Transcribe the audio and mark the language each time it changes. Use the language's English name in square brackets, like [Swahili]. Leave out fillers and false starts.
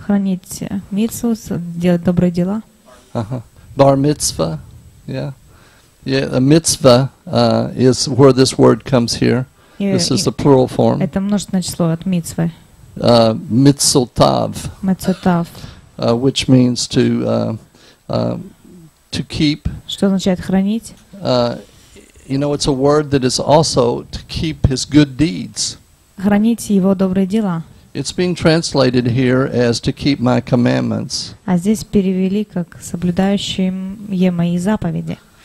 [Russian] Хранить мицву, делать добрые дела. [English] Bar mitzvah, yeah, a mitzvah is where this word comes here. This is the plural form. [Russian] Это множественное число от мицвы. [Hebrew] Mitzotav. Mitzotav. [English] Which means to keep. [Russian] Что означает хранить? [English] You know, it's a word that is also to keep his good deeds. [Russian] Хранить его добрые дела. [English] It's being translated here as to keep my commandments. [Russian] А здесь перевели как соблюдающие мои заповеди.